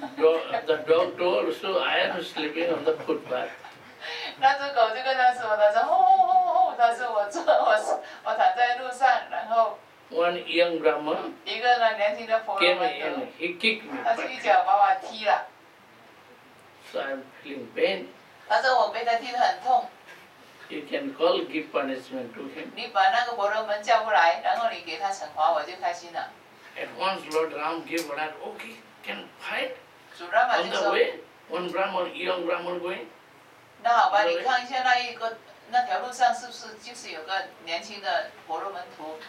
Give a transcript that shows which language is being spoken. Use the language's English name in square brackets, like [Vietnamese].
[English] the dog told, so I am sleeping on the footpath. [Chinese] 那只狗就跟他说，他说，哦哦哦，他说我躺在路上，然后。 [English] One young Brahman. [Chinese] 一个呢年轻的婆罗门徒。 [English] He kicked me. [Chinese] 他就一脚把我踢了。 [English] So I'm feeling pain. [Chinese] 他说我被他踢得很痛。 [English] You can call, give punishment to him. [Chinese] 你把那个婆罗门叫过来，然后你给他惩罚，我就开心了。 [English] At once, Lord Ram gave order. Okay, can fight. [Chinese] 主人嘛就说。 [English] On the way, one Brahman, young Brahman going. [Chinese] 那好吧，你看一下那条路上是不是就是有个年轻的婆罗门徒。